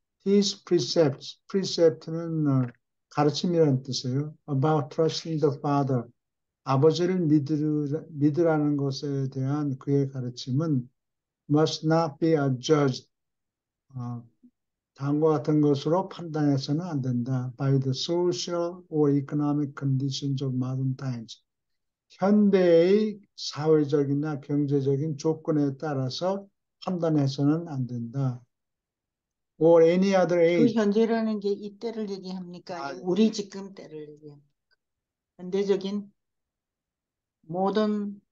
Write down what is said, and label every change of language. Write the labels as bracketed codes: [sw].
[en] His precepts, precept는 [ko] 가르침이라는 뜻이에요. [en] About trusting the Father. [ko] 아버지를 믿으라는 것에 대한 그의 가르침은 [en] must not be adjudged. [ko] 다음과 같은 것으로 판단해서는 안 된다. [en] By the social or economic conditions of modern times. [ko] 현대의 사회적이나 경제적인 조건에 따라서 판단해서는 안 된다. [en] Or any other age. [ko] 현재라는 게 이때를 얘기합니까? 아니, 우리 지금 때를 얘기합니까? 현대적인 모던